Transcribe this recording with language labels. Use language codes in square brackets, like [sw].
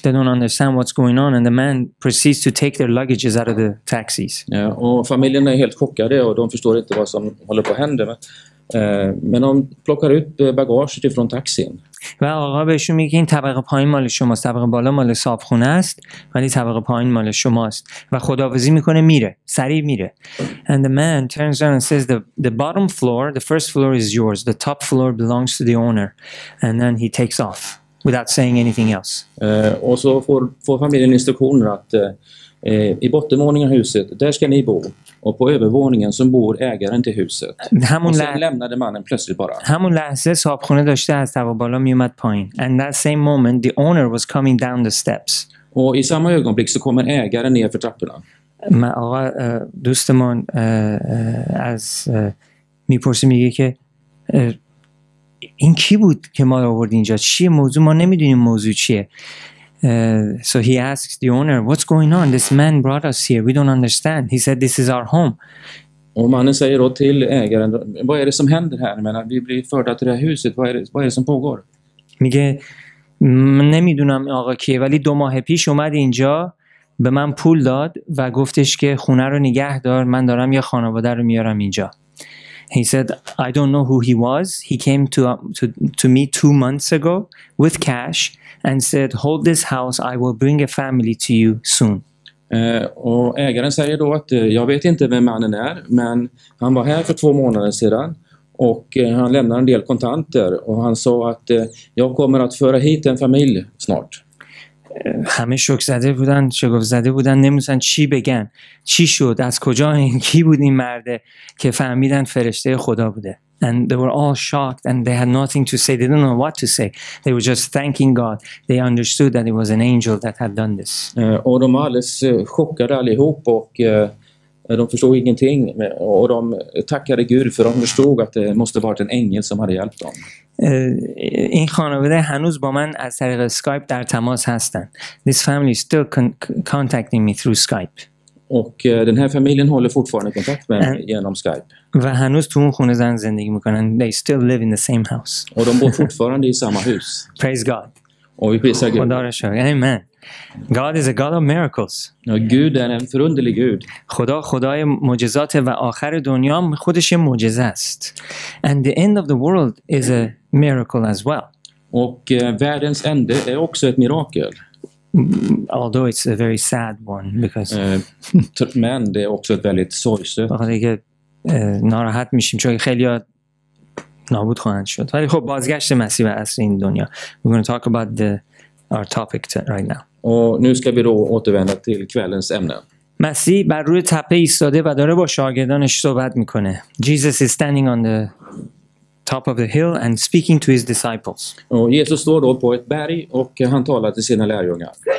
[en] They don't understand what's going on, and the man proceeds to take their luggages out of the taxis. [sv] Ja, och familjen är helt chockade och de förstår inte vad som håller på att hända. Men de plockar ut bagaget ifrån taxin. [fa] و آقا بهشون میگه این طبقه پایین مال شماست، طبقه بالا مال صابخونه است، ولی طبقه پایین مال شماست. و خداحافظی میکنه میره، سریع میره. [en] And the man turns around and says the bottom floor, the first floor is yours, the top floor belongs to the owner. And then he takes off without saying anything else. [sv] Och så får familjen instruktioner att i bottenvåningen av huset, där ska ni bo. Och på övervåningen som bor ägaren till huset. [fa] همون [sv] och sen lämnade mannen plötsligt bara. [fa] همون لحظه صابخونه داشته از طبق بالا میومد پایین. [en] And that same moment the owner was coming down the steps. [sv] Och i samma ögonblick så kommer ägaren ner för trapporna. [fa] آقا دوستمون از میپرسه میگه که این کی بود که ما رو آورد اینجا؟ چیه موضوع؟ ما نمیدونیم موضوع چیه. [en] So he asks the owner, what's going on? This man brought us here. We don't understand. He said, this is our home. [sv] Och mannen säger då till ägaren, vad är det som händer här? Jag menar, vi blir förda till det här huset. Vad är det som pågår? [fa] میگه, من نمیدونم آقا کیه, ولی دو ماه پیش اومد اینجا به من پول داد و گفتش که خونه رو نگه دار, من دارم یه خانواده رو میارم اینجا. [en] He said, I don't know who he was. He came to me 2 months ago with cash and said, hold this house, I will bring a family to you soon. [sv] Och ägaren säger då att jag vet inte vem mannen är, men han var här för 2 månader sedan och han lämnar en del kontanter och han sa att jag kommer att föra hit en familj snart. [fa] همه شوک زده بودن, شگفت زده بودن, نمیدونستن چی بگن, چی شد, از کجا, این کی بود, این مرده که فهمیدن فرشته خدا بوده. [en] And they were all shocked and they had nothing to say, they didn't know what to say, they were just thanking God, they understood that it was an angel that had done this. [sv] Och de var alldeles chockade allihop och de förstod ingenting och de tackade Gud för de förstod att det måste ha varit en ängel som hade hjälpt dem. [fa] این خانواده هنوز با من از طریق سکایپ در تماس هستن. [en] This family is still contacting me through Skype. [sv] Och den här familjen håller fortfarande kontakt med genom Skype. [fa] و هنوز تو اون خونه زن زندگی میکنن. [en] They still live in the same house. [sv] Och de bor fortfarande i samma hus. [en] Praise God. [sv] Och vi prisar Gud. [en] Amen. God is a God of miracles. [sv] Gud är en förunderlig Gud. [fa] خدا خدای معجزات و آخر دنیا خودش یه معجزه است. [en] And the end of the world is a miracle as well. [sv] Och världens ände är också ett mirakel. [en] Although it's a very sad one because [sv] men det är också ett väldigt sorgset. [fa] بخاطر اینکه ناراحت میشیم چون خیلی نابود خواهند شد. ولی خب بازگشت مسیح به اصل این دنیا. [en] We're going to talk about our topic right now. [sv] Och nu ska vi då återvända till kvällens ämne. [fa] مسیح بر روی تپه ایستاده و داره با شاگردانش صحبت میکنه. [en] Jesus is standing on the top of the hill and speaking to his disciples. [sv] Och Jesus står då på ett berg och han talar till sina lärjungar.